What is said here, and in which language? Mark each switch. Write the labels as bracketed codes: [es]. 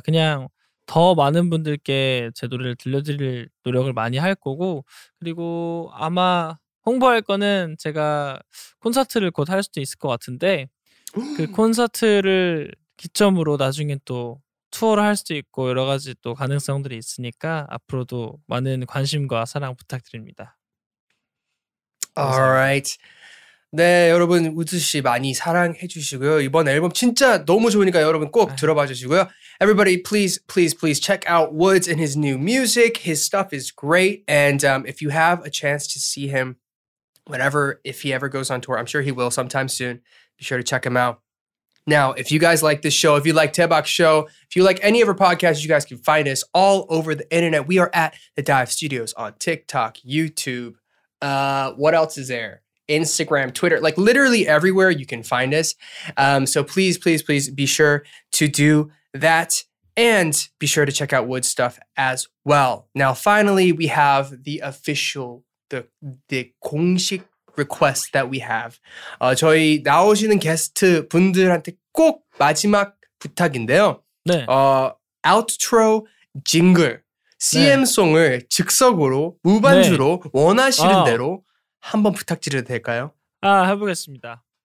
[ko] 그냥 더 많은 분들께 제 노래를 들려드릴 노력을 많이 할 거고 그리고 아마 홍보할 거는 제가 콘서트를 곧 할 수도 있을 것 같은데 그 콘서트를 기점으로 나중에 또 투어를 할 수도 있고 여러 가지 또 가능성들이 있으니까 앞으로도 많은 관심과 사랑 부탁드립니다. [en] Alright. [ko] 네, 여러분 우즈 씨 많이 사랑해 주시고요. 이번 앨범 진짜 너무 좋으니까 여러분 꼭 들어봐 주시고요. [en] Everybody please please please check out Woods and his new music. His stuff is great and if you have a chance to see him whenever if he ever goes on tour, I'm sure he will sometime soon. Be sure to check him out. Now, if you guys like this show, if you like Tebak's show, if you like any of our podcasts, you guys can find us all over the internet. We are at The Dive Studios on TikTok, YouTube. What else is there? Instagram, Twitter, like literally everywhere you can find us. So please, please, please be sure to do that and be sure to check out Wood's stuff as well. Now, finally, we have the official, the 공식 request that we have. [ko] 저희 나오시는 게스트 분들한테 꼭 마지막 부탁인데요. 네. [en] Outro jingle, [ko] CM송을 네. 즉석으로 무반주로 네. 원하시는 대로 한번 부탁드려도 될까요? 아, 해보겠습니다.